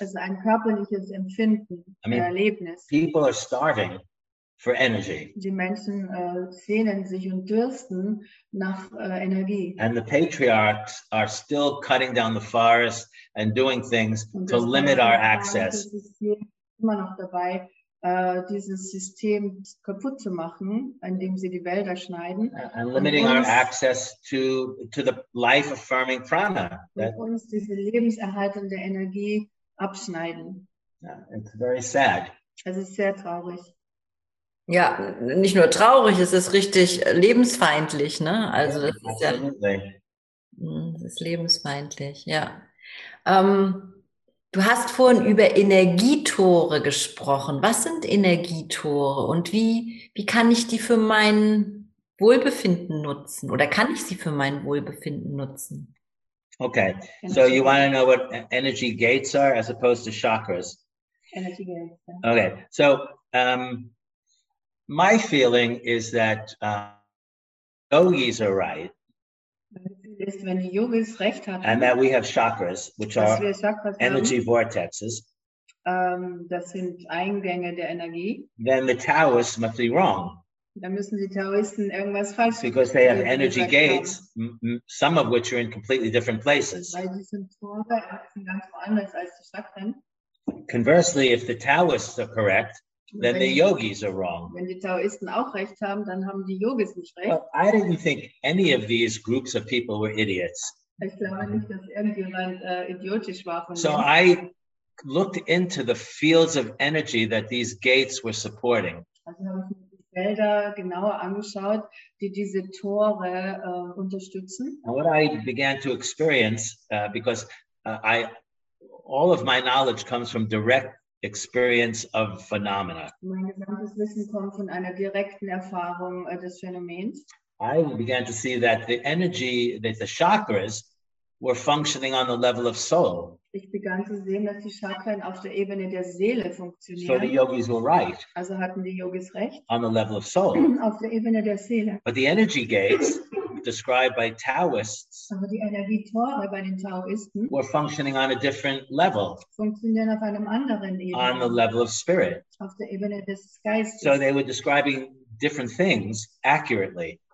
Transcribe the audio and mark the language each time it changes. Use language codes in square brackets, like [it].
[de] Also ein körperliches Empfinden, ein Erlebnis. [en] People are starving for energy. [de] Die Menschen sehnen sich und dürsten nach Energie. [en] And the patriarchs are still cutting down the forest and doing things to limit our access. [de] Sie sind immer noch dabei, dieses System kaputt zu machen, indem sie die Wälder schneiden. [en] And limiting our access to the life-affirming prana. [de] Uns diese lebenserhaltende Energie abschneiden. [en] It's very sad. [de] Es ist sehr traurig. Ja, nicht nur traurig, es ist richtig lebensfeindlich, ne? Also das ist ja, das ist lebensfeindlich, ja. Du hast vorhin über Energietore gesprochen. Was sind Energietore und wie kann ich die für mein Wohlbefinden nutzen? Oder kann ich sie für mein Wohlbefinden nutzen? [en] Okay, so you want to know what energy gates are as opposed to chakras? Energy gates. Yeah. Okay, so my feeling is that yogis are right. [de] Ist, wenn die Yogis recht hatten, [en] and that we have chakras, which are chakras energy [de] haben, [en] vortexes. [de] Das sind Eingänge der Energie. [en] Then the Taoists must be wrong. [de] Dann müssen die Taoisten irgendwas falsch machen. [en] Because they have energy gates, some of which are in completely different places. [de] Weil sie sind Tore, sind ganz woanders als die Chakren. [en] Conversely, if the Taoists are correct, then the Yogis are wrong. [de] Wenn die Taoisten auch recht haben, dann haben die Yogis nicht recht. [en] Well, I didn't think any of these groups of people were idiots. [de] Ich glaube nicht, dass irgendjemand idiotisch war von so denen. [en] I looked into the fields of energy that these gates were supporting. [de] Also habe ich mir die Felder genauer angeschaut, die diese Tore unterstützen. [en] And what I began to experience, because I all of my knowledge comes from direct experience of phenomena. [de] Mein gesamtes Wissen kommt von einer direkten Erfahrung des Phänomens. [en] I began to see that the energy, that the chakras were functioning on the level of soul. [de] Ich begann zu sehen, dass die Chakren auf der Ebene der Seele funktionieren. [en] So the yogis were right. [de] Also hatten die Yogis recht. [en] On the level of soul. [de] Auf der Ebene der Seele. [en] But the energy gates described by Taoists. [de] Aber die Energietore bei den Taoisten [en] were functioning on a different level. [de] Funktionieren auf einem anderen Ebene. [en] On the level of spirit. [de] Auf der Ebene des Geistes. [en] So they were describing different things accurately.